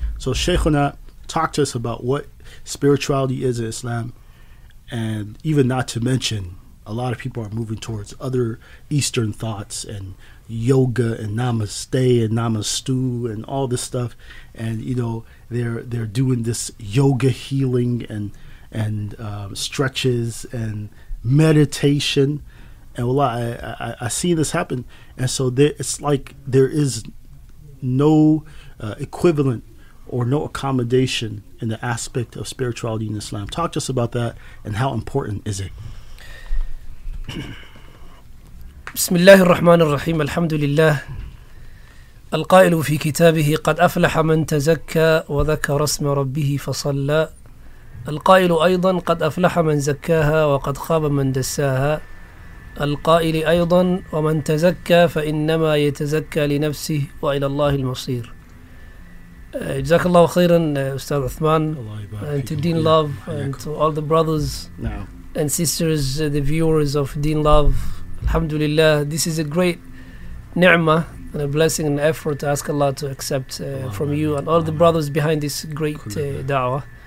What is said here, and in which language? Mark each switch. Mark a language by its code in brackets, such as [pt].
[en] So Sheikhuna, talk to us about what spirituality is in Islam, and even not to mention, a lot of people are moving towards other Eastern thoughts and yoga and namaste and namastu and all this stuff, and you know, they're doing this yoga healing and stretches and meditation, and well, I see this happen, and so there is no equivalent or no accommodation in the aspect of spirituality in Islam. Talk to us about that and how important is it? [ar] بسم الله الرحمن الرحيم الحمد لله القائل في كتابه قد أفلح من تزكى وذكر اسم ربه فصلى القائل أيضا قد أفلح من زكاها وقد خاب من دساها القائل أيضا ومن تزكى فإنما يتزكى لنفسه وإلى الله المصير. جزاك الله خيرا أستاذ عثمان. [en] And to Deen Love and to all the brothers and sisters, the viewers of Deen Love. Alhamdulillah, this is a great ni'mah and a blessing and effort to ask Allah to accept from you and all the brothers behind this great da'wah.